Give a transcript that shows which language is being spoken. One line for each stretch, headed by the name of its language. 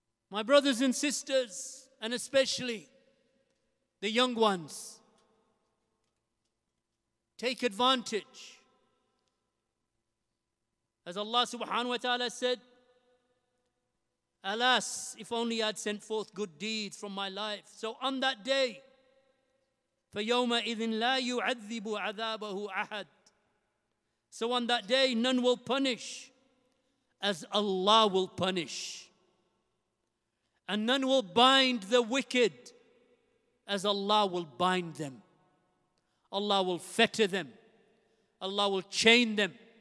English: My brothers and sisters, and especially the young ones, take advantage. As Allah subhanahu wa ta'ala said, alas, if only I'd sent forth good deeds from my life. So on that day,
Arabic: فَيَوْمَ إِذٍ لَا يُعَذِّبُ عَذَابَهُ أَحَدٍ.
English: So on that day, none will punish as Allah will punish. And none will bind the wicked as Allah will bind them. Allah will fetter them. Allah will chain them.